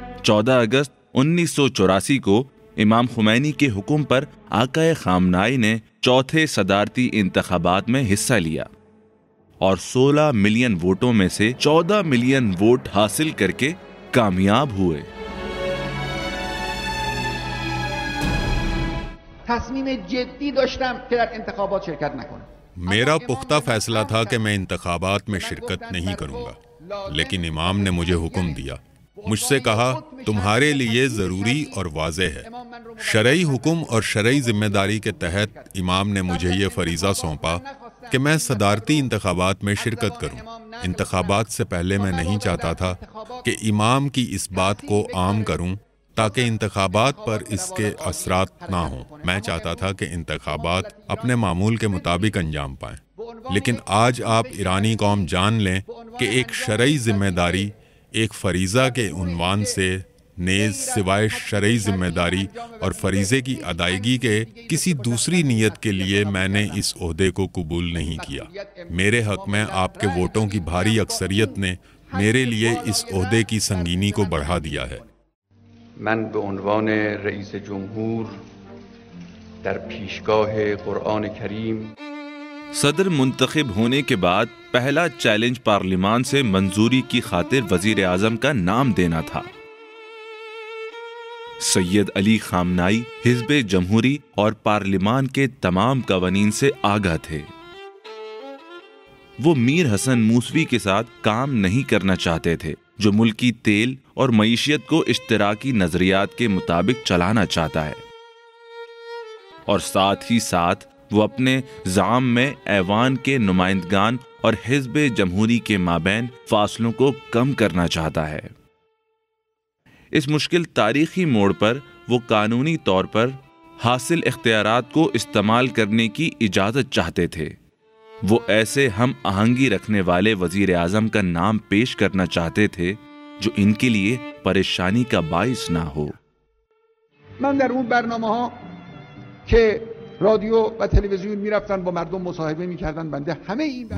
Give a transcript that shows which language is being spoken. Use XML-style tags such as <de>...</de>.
<ur>اگست 1984 کو امام خمینی کے حکم پر آقا خامنائی نے چوتھے صدارتی انتخابات میں حصہ لیا اور 16 ملین ووٹوں میں سے 14 ملین ووٹ حاصل کر کے کامیاب ہوئے۔</ur> <fa>تصمیم جدی داشتم که در انتخابات شرکت نکنم۔</fa> <ur>میرا پختہ فیصلہ تھا کہ میں انتخابات میں شرکت نہیں کروں گا، لیکن امام نے مجھے حکم دیا، مجھ سے کہا تمہارے لیے ضروری اور واضح ہے، شرعی حکم اور شرعی ذمہ داری کے تحت امام نے مجھے یہ فریضہ سونپا کہ میں صدارتی انتخابات میں شرکت کروں۔ انتخابات سے پہلے میں نہیں چاہتا تھا کہ امام کی اس بات کو عام کروں تاکہ انتخابات پر اس کے اثرات نہ ہوں، میں چاہتا تھا کہ انتخابات اپنے معمول کے مطابق انجام پائیں۔ لیکن آج آپ ایرانی قوم جان لیں کہ ایک شرعی ذمہ داری ایک فریضہ کے عنوان سے نیز سوائے شرعی ذمہ داری اور فریضے کی ادائیگی کے کسی دوسری نیت کے لیے میں نے اس عہدے کو قبول نہیں کیا۔ میرے حق میں آپ کے ووٹوں کی بھاری اکثریت نے میرے لیے اس عہدے کی سنگینی کو بڑھا دیا ہے۔</ur> <fa>من به عنوان رئیس جمهور در پیشگاه قرآن کریم۔</fa> <ur>صدر منتخب ہونے کے بعد پہلا چیلنج پارلیمان سے منظوری کی خاطر وزیر اعظم کا نام دینا تھا۔ سید علی خامنائی حزب جمہوری اور پارلیمان کے تمام قوانین سے آگاہ تھے، وہ میر حسن موسوی کے ساتھ کام نہیں کرنا چاہتے تھے جو ملکی تیل اور معیشت کو اشتراکی نظریات کے مطابق چلانا چاہتا ہے، اور ساتھ ہی ساتھ وہ اپنے زعام میں ایوان کے نمائندگان اور حزب جمہوری کے مابین فاصلوں کو کم کرنا چاہتا ہے۔ اس مشکل تاریخی موڑ پر وہ قانونی طور پر حاصل اختیارات کو استعمال کرنے کی اجازت چاہتے تھے، وہ ایسے ہم آہنگی رکھنے والے وزیر اعظم کا نام پیش کرنا چاہتے تھے جو ان کے لیے پریشانی کا باعث نہ ہو۔</ur> <fa>من در اون برنامه ها که رادیو و تلویزیون می رفتن با مردم مصاحبه می کردن بنده همه این</fa>